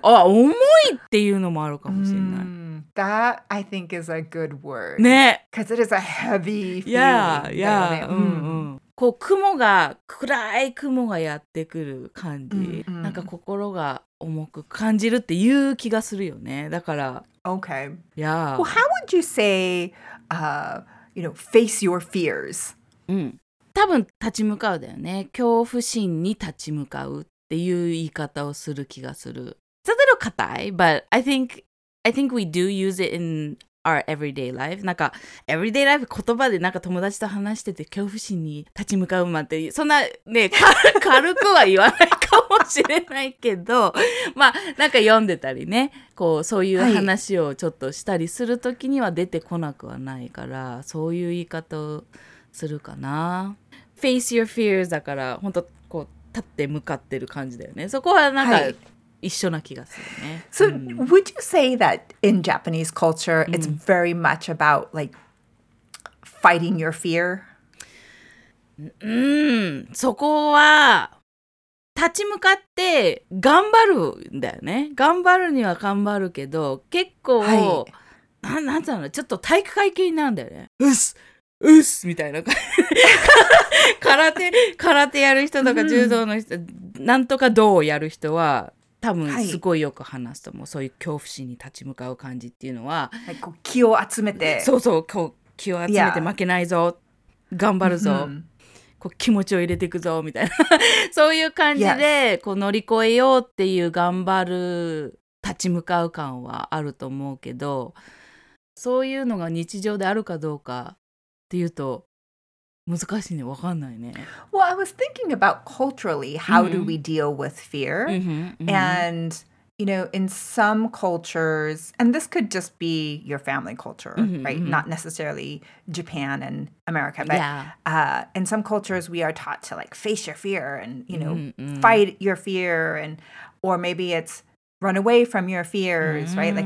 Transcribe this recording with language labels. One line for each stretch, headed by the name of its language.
Japanese: あ、重いっていうのもあるかもしれない。
English: That, I think, is a good word.
Japanese: ね。
English: Because it is a heavy feeling. Yeah, yeah.
Japanese: こう雲が暗い雲がやってくる感じ、なんか心が重く感じるっていう気がするよね。だから、
English: okay, yeah. Well, how would you say, you know, face your fears?
Japanese: 多分立ち向かうだよね。恐怖心に立ち向かうっていう言い方をする気がする。
English: It's a little
Japanese: 硬い
English: but I think we do use it in our everyday life.
Japanese: なんか
English: everyday life
Japanese: 言葉でなんか友達と話してて恐怖心に立ち向かうまでそんなね軽くは言わないかもしれないけど、まあなんか読んでたりね、こうそういう話をちょっとしたりするときには出てこなくはないから、そういう言い方をするかな。
English: Face your fears
Japanese: だから本当こう立って向かってる感じだよね。そこはなんか。はい
English: So, would you say that in Japanese culture, it's very much about like fighting your fear?
Japanese: そこは立ち向かって頑張るんだよね。頑張るには頑張るけど、結構、はい、なんていうの、ちょっと体育会系なんだよね。うっす、うっすみたいな感じ。空手やる人とか柔道の人、なんとか道をやる人は。多分すごいよく話すと思う、はい、そういう恐怖心に立ち向かう感じっていうのは、はい、こう気を集めてそうそ う, こう気を集めて負けないぞ、yeah. 頑張るぞ、mm-hmm. こう気持ちを入れていくぞみたいなそういう感じで、yes. こう乗り越えようっていう頑張る立ち向かう感はあると思うけど、そういうのが日常であるかどうかっていうと難しいね、分かんないね。
English: Well, I was thinking about culturally, how do we deal with fear? And, you know, in some cultures, and this could just be your family culture, right? Not necessarily Japan and America, but in some cultures, we are taught to like face your fear and, you know, fight your fear and, or maybe it's run away from your fears, right?